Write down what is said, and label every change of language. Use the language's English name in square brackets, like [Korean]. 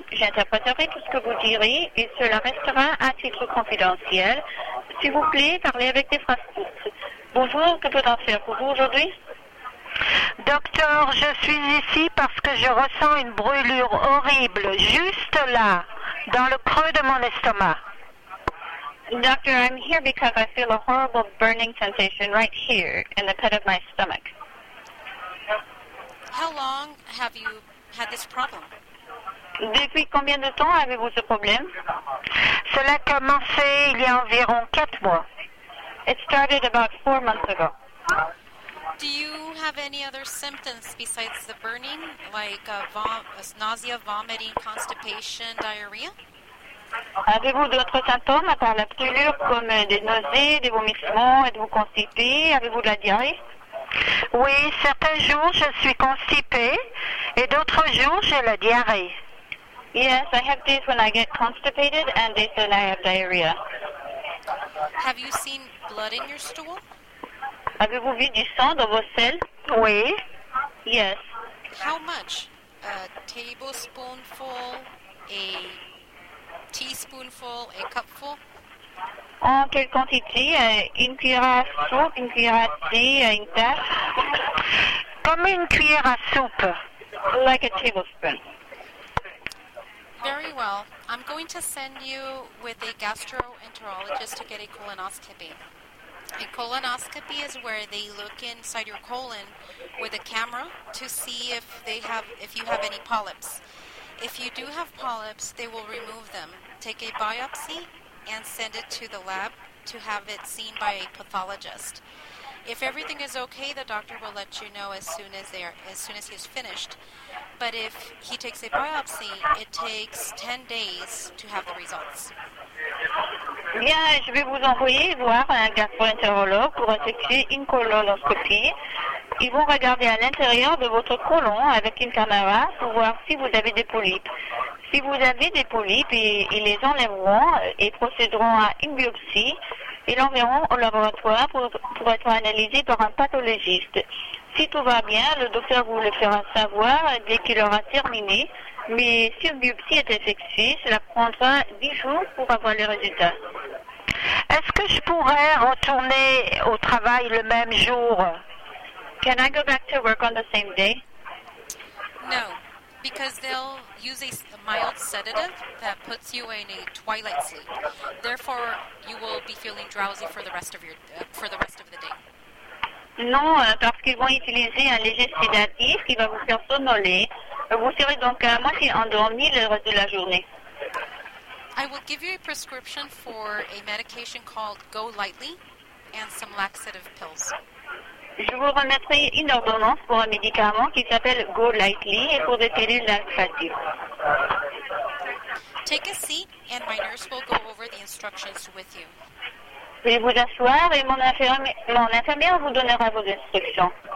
[French] J'interpréterai tout ce que vous direz et cela restera à titre confidentiel. S'il vous plaît, parlez avec des phrases courtes. Bonjour, que peut-on faire pour vous aujourd'hui? Docteur, je suis ici parce que je ressens une brûlure horrible, juste là, dans le creux de mon estomac. [English] Doctor, I'm here because I feel a horrible burning sensation right here, in the pit of my stomach. How long have you had this problem? [French] Depuis combien de temps avez-vous ce problème? Cela a commencé il y a environ 4 mois. [English] It started about 4 months ago. Do you have any other symptoms besides the burning, like nausea, vomiting, constipation, diarrhea? [French] Avez-vous d'autres symptômes à part la brûlure, comme des nausées, des vomissements? Êtes-vous constipé? Avez-vous de la diarrhée? Oui, certains jours je suis constipé et d'autres jours j'ai la diarrhée. [English] Yes, I have days when I get constipated and days when I have diarrhea. Have you seen blood in your stool? [French] Avez-vous vu du sang dans vos selles? Oui. [English] Yes. How much? A tablespoonful, a teaspoonful, a cupful? [French] En quelle quantité? Une cuillère à soupe, une cuillère à thé, une tasse? Comme une cuillère à soupe. [English] Like a tablespoon. Very well. I'm going to send you with a gastroenterologist to get a colonoscopy. A colonoscopy is where they look inside your colon with a camera to see if you have any polyps. If you do have polyps, they will remove them. Take a biopsy and send it to the lab to have it seen by a pathologist. If everything is okay, the doctor will let you know as soon as he's finished. But if he takes a biopsy, it takes 10 days to have the results. [French] Bien, je vais vous envoyer voir un gastroentérologue pour effectuer une colonoscopie. Ils vont regarder à l'intérieur de votre colon avec une caméra pour voir si vous avez des polypes. Si vous avez des polypes, ils les enlèveront et procéderont à une biopsie et l'enverront au laboratoire pour être analysé par un pathologiste. Si tout va bien, le docteur vous le fera savoir dès qu'il aura terminé. Mais si une biopsie est effectuée, cela prendra 10 jours pour avoir les résultats. Est-ce que je pourrais retourner au travail le même jour? [English] Can I go back to work on the same day? No, because they'll use a mild sedative that puts you in a twilight sleep. Therefore, you will be feeling drowsy for the rest of the day. [French] Non, parce qu'ils vont utiliser un léger sédatif qui va vous faire somnoler. Vous serez donc à moitié endormi le reste de la journée. [English] I will give you a prescription for a medication called Go Lightly and some laxative pills. [French] Je vous remettrai une ordonnance pour un médicament qui s'appelle Go Lightly et pour des pilules laxatives. [English] Take a seat and my nurse will go over the instructions with you. [French] Veuillez vous asseoir et mon infirmière vous donnera vos instructions.